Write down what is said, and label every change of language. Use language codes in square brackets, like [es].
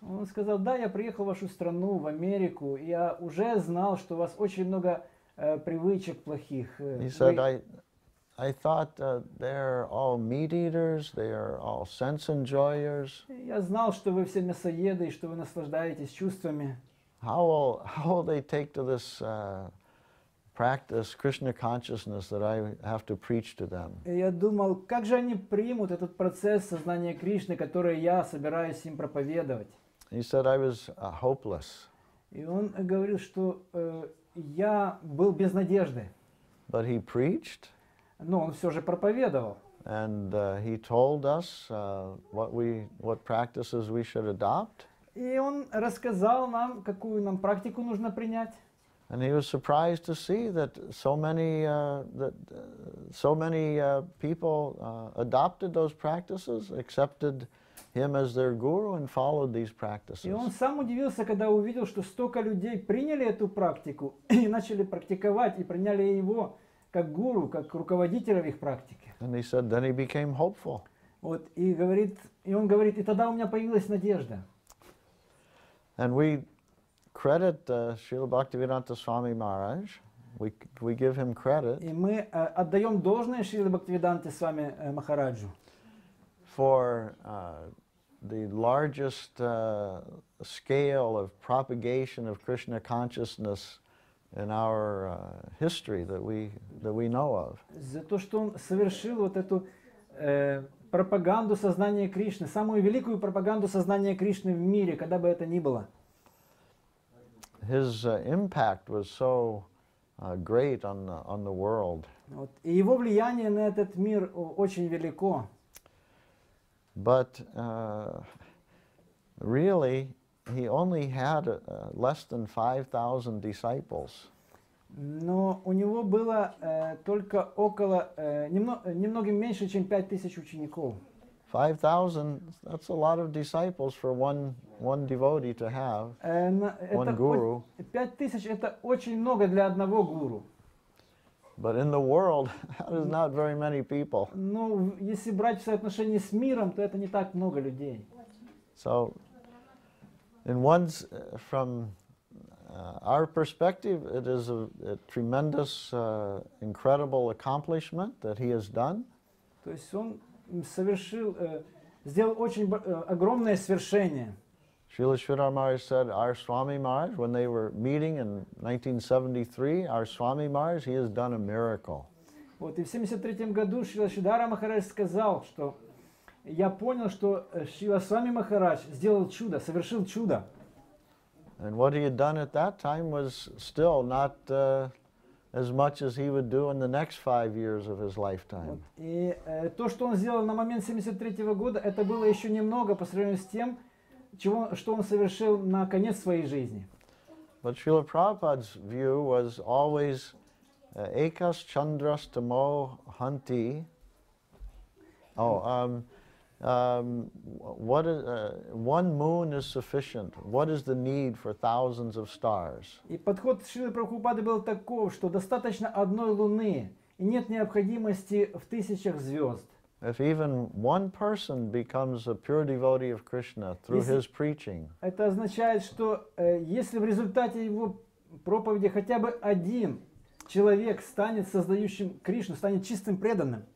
[ru] Он сказал: "Да, я приехал в вашу страну, в Америку. Я уже знал, что у вас очень много привычек плохих." [en] He said, I thought they're all meat eaters, they are all sense enjoyers. [ru] Я знал, что вы все мясоеды и что вы наслаждаетесь чувствами. [en] How will they take to this practice Krishna consciousness that I have to preach to them? [ru] Я думал, как же они примут этот процесс сознания Кришны, который я собираюсь им проповедовать? [en] He said I was hopeless. [ru] И он говорил, что я был без надежды. [en] But he preached. [ru] Но он все же проповедовал. [en] And he told us what practices we should adopt. [ru] И он рассказал нам, какую нам практику нужно принять. [en] And he was surprised to see that so many people adopted those practices, accepted him as their guru and followed these practices. [ru] И он сам удивился, когда увидел, что столько людей приняли эту практику и начали практиковать и приняли его как гуру, как руководителя в их практике. [en] And he said, then he became hopeful. [ru] Вот и он говорит, и тогда у меня появилась надежда. [en] And we credit Srila Bhaktivedanta Swami Maharaj. We give him credit. [ru] И мы отдаем должное Шриле Бхактивиданте Свами Махараджу. [en] For the largest scale of propagation of Krishna consciousness in our history that we know of. [ru] За то, что он совершил вот эту пропаганду сознания Кришны, самую великую пропаганду сознания Кришны в мире, когда бы это ни было. [en] His impact was so great on the world. [ru] Вот, и его влияние на этот мир очень велико. [en] But really, he only had less than 5,000 disciples. [ru] Но у него было только около немногим меньше, чем 5,000 учеников. [en] 5,000, that's a lot of disciples for one devotee to have, one guru. [ru] 5,000 – это очень много для одного гуру. [en] But in the world, that is not very many people. [ru] Ну, если брать в соотношении с миром, то это не так много людей. [en] So, in one's, from our perspective, it is a tremendous, incredible accomplishment that he has done. [ru] То есть он совершил, сделал очень огромное свершение. [en] Srila Sridhar Maharaj said, our Swami Maharaj, when they were meeting in 1973, our Swami Maharaj, he has done a miracle. [ru] Вот, и в 73-м году Шрила Шридхара Махарадж сказал, что я понял, что Шрила Свами Махарадж сделал чудо, совершил чудо. [en] And what he had done at that time was still not as much as he would do in the next 5 years of his lifetime. [ru] Вот. И то, что он сделал на момент 73-го года, это было еще немного по сравнению с тем, что он совершил на конец своей жизни. [en] But Srila Prabhupada's view was always [sa] ekas chandras tamo hanti. [en] One moon is sufficient. What is the need for thousands of stars? [ru] И подход Шрилы Прабхупады был таков, что достаточно одной луны, и нет необходимости в тысячах звезд. [en] If even one person becomes a pure devotee of Krishna through his preaching, [ru] это означает, что если в результате его проповеди хотя бы один человек станет создающим Кришну, станет чистым преданным,